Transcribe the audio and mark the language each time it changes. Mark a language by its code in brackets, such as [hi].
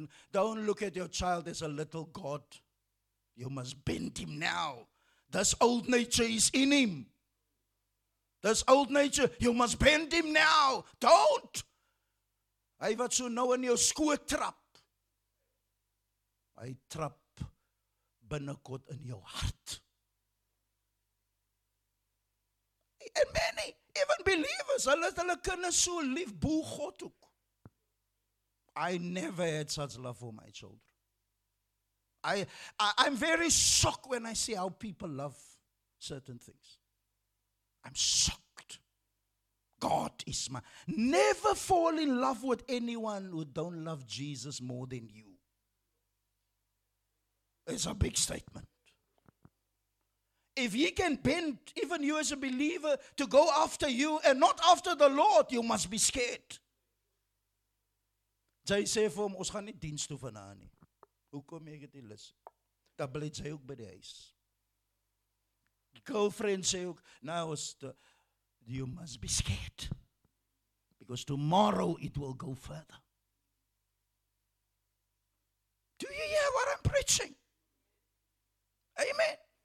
[en] Don't look at your child as a little god. You must bend him now. This old nature is in him. This old nature, you must bend him now. Don't. [af] Hy wat so nou in jou skoot trap. Hy trap binnekort in jou hart. [en] And many, even believers, [af] hulle kinders so lief bo God ook. [en] I never had such love for my children. I'm very shocked when I see how people love certain things. I'm shocked. God is my... Never fall in love with anyone who don't love Jesus more than you. It's a big statement. If he can bend even you as a believer to go after you and not after the Lord, you must be scared. [af] Jy sê vir hom, ons gaan nie diens toe vanaand nie. Hoekom ek het die lus? Dan bly jy ook by die huis. [en] Girlfriend [af] sê ook, nou is [en] you must be scared. Because tomorrow it will go further. Do you hear what I'm preaching? Amen.